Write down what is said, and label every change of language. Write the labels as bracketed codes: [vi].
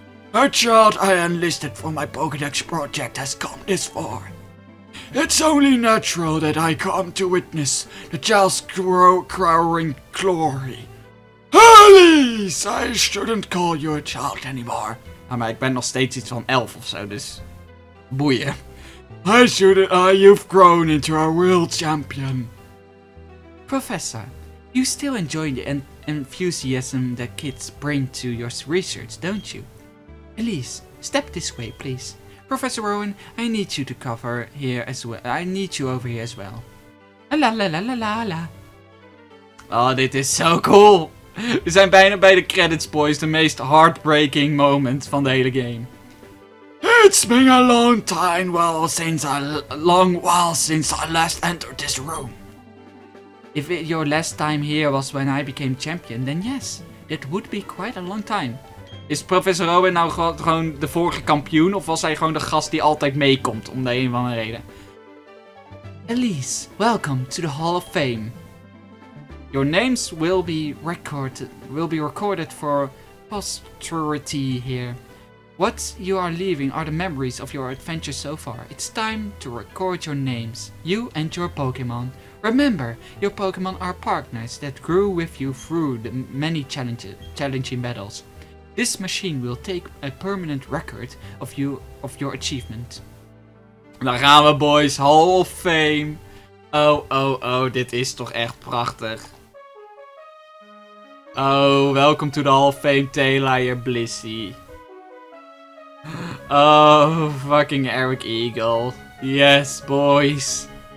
[en] That child I enlisted for my Pokédex project has come this far. It's only natural that I come to witness the child's crowing glory. Erlies, I shouldn't call you a child anymore. [nl] Maar ik ben nog steeds iets van elf of zo, dus... Boeien. [en] You've grown into a real champion. Professor, you still enjoy the enthusiasm that kids bring to your research, don't you? Elise, step this way, please. Professor Rowan, I need you to cover here as well. I need you over here as well. La la la la la la. [nl] Oh, dit is zo cool. We zijn bijna bij de credits, boys. De meest heartbreaking moment van de hele game. [en] It's been a long time, well, since I last entered this room. If it, your last time here was when I became champion, then yes, that would be quite a long time. [nl] Is Professor Owen nou gewoon de vorige kampioen, of was hij gewoon de gast die altijd meekomt om de een of andere reden? [en] Elise, welcome to the Hall of Fame. Your names will be recorded for posterity here. What you are leaving are the memories of your adventure so far. It's time to record your names, you and your Pokémon. Remember, your Pokémon are partners that grew with you through the many challenging battles. This machine will take a permanent record of you, of your achievement. [nl] Daar gaan we, boys. Hall of Fame. Oh, oh, oh. Dit is toch echt prachtig. [en] Oh, welcome to the Hall of Fame, Taillier Blissey. Oh, fucking Eric Eagle. Yes, boys.